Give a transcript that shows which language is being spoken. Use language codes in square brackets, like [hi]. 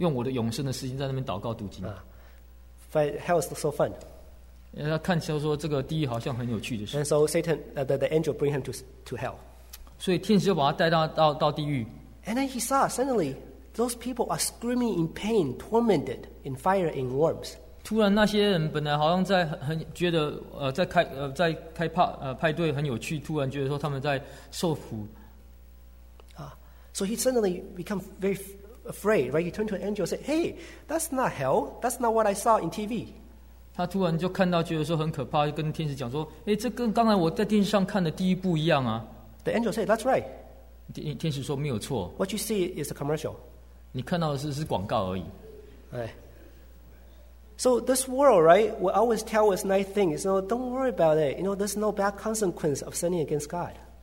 [zh] 他说我已经花了80年的时间在祷告读经，我不想再到天国，再用我的永生的时间在那边祷告读经。 [en] But hell is so fun. [zh] 他看起来说这个地狱好像很有趣的事。 [en] And so Satan, the angel bring him to hell. [zh] 所以天使就把他带到地狱。 [en] And then he saw suddenly those people are screaming in pain, tormented in fire and worms. [zh] 突然那些人本来好像在很觉得在开派对很有趣，突然觉得说他们在受苦。So [en] he suddenly become very afraid, right? He turned to an angel and said, "Hey, that's not hell. That's not what I saw in TV." [zh] 他突然就看到，觉得说很可怕，跟天使讲说，哎，这跟刚才我在电视上看的第一部一样啊。The [en] angel said, "That's right." [zh] 天使说没有错。 [en] What you see is a commercial. [zh] 你看到的是广告而已。哎。 [en] So this world, right, will always tell us nice things. So don't worry about it. You know, there's no bad consequence of sinning against God.